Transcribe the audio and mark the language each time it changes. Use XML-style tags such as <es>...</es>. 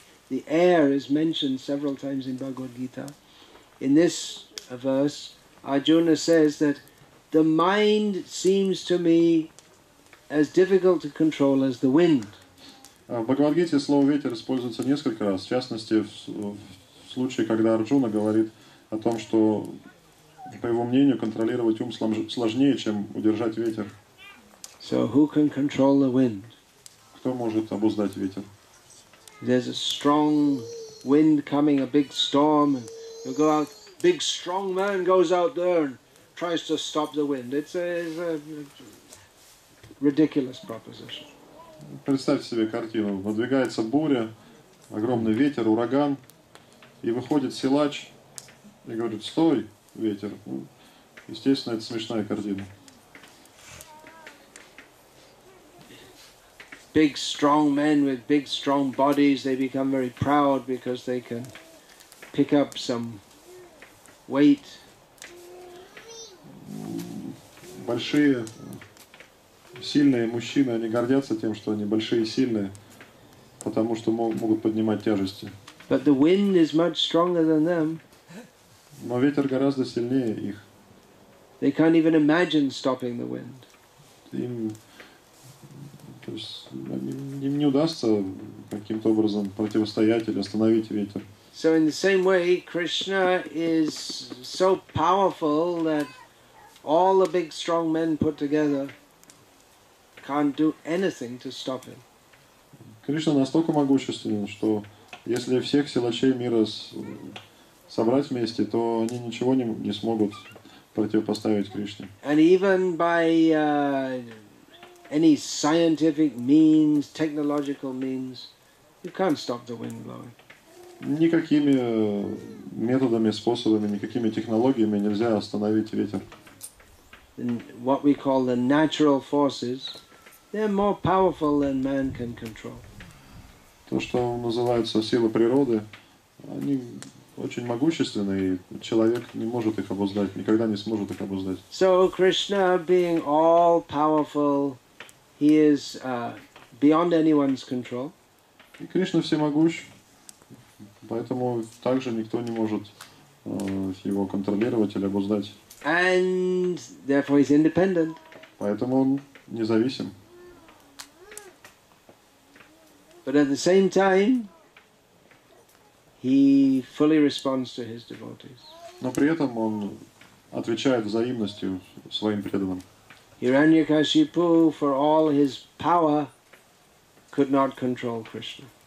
<en>The air is mentioned several times in Bhagavad Gita. In this verse, Arjuna says that the mind seems to me as difficult to control as the wind.</en> <ru>В Бхагавад Гите слово ветер используется несколько раз, в частности в случае, когда Арджуна говорит о том, что по его мнению контролировать ум сложнее, чем удержать ветер.</ru> <en>So who can control the wind?</en> <ru>Кто может обуздать ветер?</ru> <en>There's a strong wind coming, a big storm, and you go out. Big strong man goes out there and tries to stop the wind. It's a ridiculous proposition.</en> <ru>Представьте себе картину. Надвигается буря, огромный ветер, ураган, и выходит силач и говорит: "Стой, ветер!" Естественно, это смешная картина.</ru> <en>Big strong men with big strong bodies, they become very proud because they can pick up some weight.</en> <ru>Большие, сильные мужчины, они гордятся тем, что они большие и сильные, потому что могут поднимать тяжести.</ru> <en>But the wind is much stronger than them.</en> <ru>Но ветер гораздо сильнее их.</ru> <en>They can't even imagine stopping the wind.</en> <ru>То есть им не удастся каким-то образом противостоять или остановить ветер.</ru> <en>So in the same way, Krishna is so powerful that all the big strong men put together can't do anything to stop him.</en> <ru>Кришна настолько могущественен, что если всех силачей мира собрать вместе, то они ничего не смогут противопоставить Кришне.</ru> <en>And even by any scientific means, technological means, you can't stop the wind blowing.</en> <ru>Никакими методами, способами, никакими технологиями нельзя остановить ветер.</ru> <en>And what we call the natural forces, they're more powerful than man can control.</en> <ru>То, что называется силы природы, они очень могущественные, человек не может их обуздать, никогда не сможет их обуздать.</ru> <en>So Krishna, being all powerful, he is beyond anyone's control.</en> <ru>И Кришна всемогущ, поэтому также никто не может его контролировать или обуздать.</ru> <en>And therefore he's independent.</en> <ru>Поэтому он независим.</ru> <en>But at the same time, he fully responds to his devotees.</en> <ru>Но при этом он отвечает взаимностью своим преданным.</ru> <en>Hiranyakashipu, for all his power, could not control Krishna.</en>